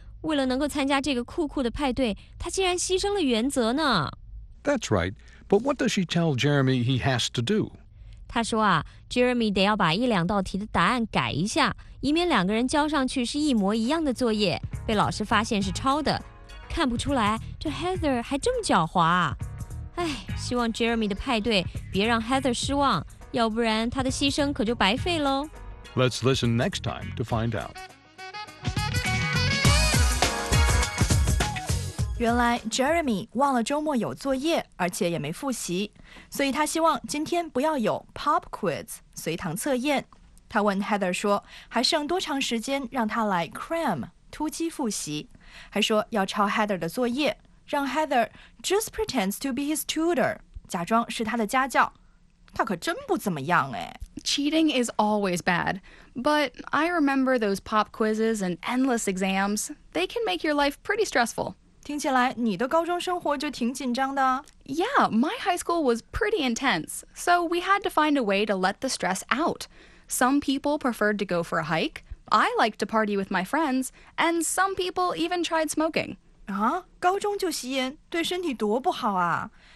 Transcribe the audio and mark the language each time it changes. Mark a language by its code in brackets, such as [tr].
[zh] 为了能够参加这个酷酷的派对，她竟然牺牲了原则呢。 [en] That's right. But what does she tell Jeremy he has to do? [zh] 她说啊 ，Jeremy 得要把一两道题的答案改一下，以免两个人交上去是一模一样的作业，被老师发现是抄的。看不出来，这 Heather 还这么狡猾啊！哎，希望 Jeremy 的派对别让 Heather 失望，要不然她的牺牲可就白费喽。 [en] Let's listen next time to find out. [zh] 原来 Jeremy 忘了周末有作业，而且也没复习，所以他希望今天不要有 pop quiz 随堂测验。他问 Heather 说，还剩多长时间让他来 cram 突击复习，还说要抄 Heather 的作业，让 Heather [en] just pretends to be his tutor， [zh] 假装是他的家教。他可真不怎么样哎。 [en] Cheating is always bad, but I remember those pop quizzes and endless exams. They can make your life pretty stressful. [zh] 听起来你的高中生活就挺紧张的。 [en] Yeah, my high school was pretty intense, so we had to find a way to let the stress out. Some people preferred to go for a hike, I liked to party with my friends, and some people even tried smoking. [zh] 啊，高中就吸烟，对身体多不好啊。